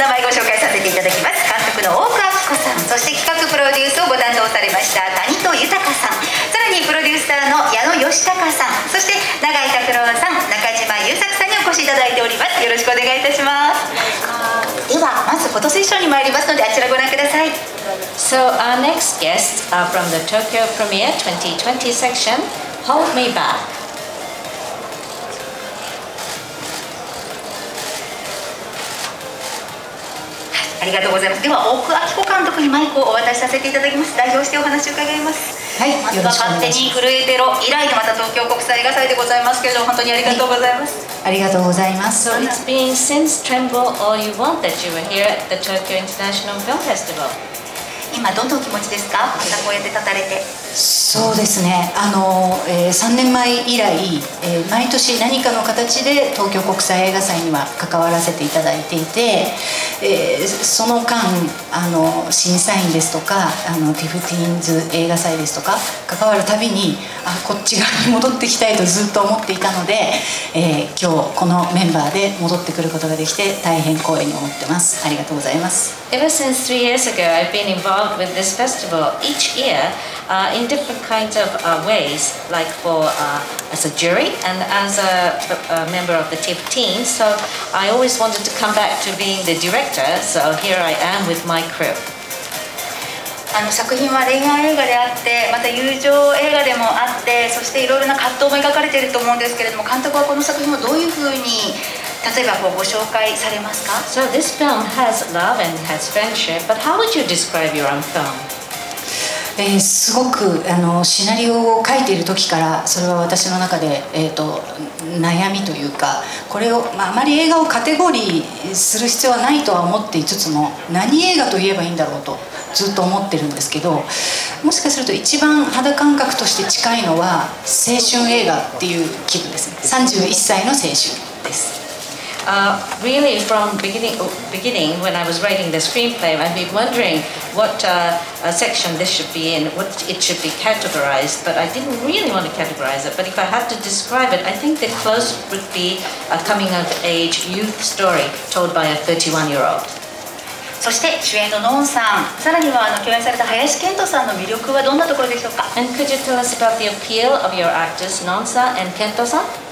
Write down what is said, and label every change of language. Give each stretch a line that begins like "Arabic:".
Japanese: そして企画プロデュースをご担当されました谷戸豊さん、さらにプロデューサーの矢野義隆さん、そして永井拓郎さん、中島優作さんにお越しいただいております。よろしくお願いいたします。ではまずフォトセッションに参りますので、あちらご覧ください。
English: So our next guests are from the Tokyo Premiere 2020 section, Hold Me Back.
Japanese: ありがとうございます。では大久保明子監督にマイクをお渡しさせていただきます。代表してお話を伺います。はい、よろしくお願いします。まずは勝手に震えてろ以来のまた東京国際映画祭でございますけれども、本当にありがとうございます。はい、ありがとうございます。
English: So it's been since Tremble All You Want that you were here at the Tokyo International Film Festival.
Japanese: 今どんな気持ちですか？またこうやって立たれて。そうですね、3年前以来、毎年何かの形で東京国際映画祭には関わらせていただいていて、その間審査員ですとかティフティーンズ映画祭ですとか関わるたびに、あ、こっち側に戻ってきたいとずっと思っていたので、今日このメンバーで戻ってくることができて大変光栄に思ってます。ありがとうございます。
English: Ever since 3 years ago I've been involved with this festival each year、in different kinds of ways, like for as a jury and as a member of the TIFF team. So I always wanted to come back to being the director. So here I am with my crew.
Japanese: 作品は恋愛映画であって、また友情映画でもあって、そしていろいろな葛藤も描かれていると思うんですけれども、監督はこの作品をどういうふうに、例えばこうご紹介されますか？
English: So this film has love and has friendship, but how would you describe your own film?
Japanese: すごくシナリオを書いている時からそれは私の中で、悩みというか、これを、まあ、あまり映画をカテゴリーする必要はないとは思っていつつも、何映画と言えばいいんだろうとずっと思ってるんですけど、もしかすると一番肌感覚として近いのは青春映画っていう気分ですね。 31歳の青春です。
English: Really, from beginning, when I was writing the screenplay, I've been wondering what section this should be in, what it should be categorized, but I didn't really want to categorize it. But if I had to describe it, I think the close would be a coming-of-age youth story told by a 31-year-old.
Japanese: そして主演のノンさん、さらには共演された林遣都さんの魅力はどんなところでしょうか？
English: And could you tell us about the appeal of your actors, ノンさん and 遣都さん？